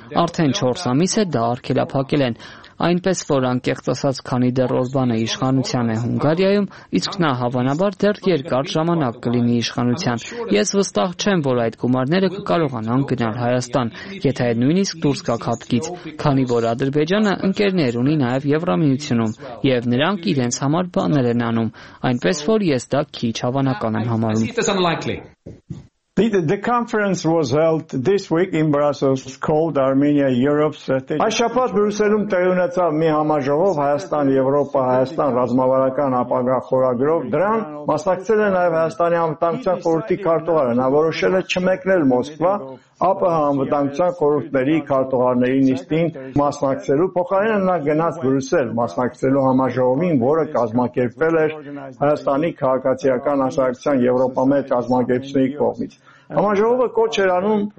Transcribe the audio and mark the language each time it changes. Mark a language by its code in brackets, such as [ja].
[hy] Արդեն 4 ամիս է դա արգելափակել են, այնպես որ անկեղծ ասած, քանի դեռ Օրբանը իշխանության է Հունգարիայում, իսկ նա հավանաբար դեռ երկար ժամանակ կլինի իշխանության, ես վստահ չեմ, որ այդ գումարները կկարողանան գնալ Հայաստան, եթե նույնիսկ դուրս գա հատկից, քանի որ Ադրբեջանը ընկերներ ունի նաև Եվրամիությունում, եւ նրանք իրենց համար բաներ են անում, այնպես որ ես դա քիչ հավանական եմ համարում։ [en] The conference was held this week in Brussels called Armenia Europe Strategy. [hy] Այշաբաթ Բրյուսելում տեղի ունեցավ մի համաժողով Հայաստան-Եվրոպա, Հայաստան ռազմավարական ապագա խորագրով։ Դրան մասնակցել է նաև Հայաստանի անվտանգության խորհրդի քարտուղարը, նա որոշել է չմեկնել Մոսկվա ԱՊՀ անվտանգության խորհրդների քարտուղարների նիստին մասնակցելու, փոխարեն նա գնաց Բրյուսել մասնակցելու համաժողովին, որը կազմակերպվել էր Հայաստանի քաղաքացիական աշխարհական Եվրոպա-Մեծ ազմագերությունների կողմից։ Համաժողովը կոչ էր անում